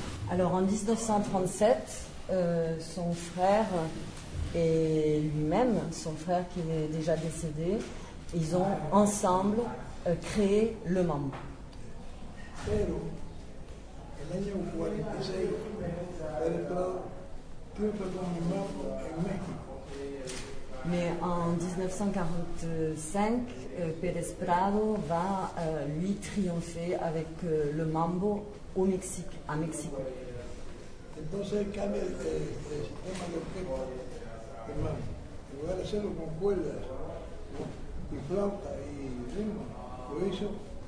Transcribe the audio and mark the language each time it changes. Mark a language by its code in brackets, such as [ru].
[fr] Alors, en 1937, son frère et lui-même, son frère qui est déjà décédé, ils ont ensemble créer le mambo. [es] Pero el año 46 he declarado triunfo con mi mambo en México. [fr] Mais en 1945, Pérez Prado va lui triompher avec le mambo au Mexique, à Mexico. [es] Entonces cambia el sistema de orquesta de mambo. En lugar de hacerlo con cuerdas y flauta y ritmo.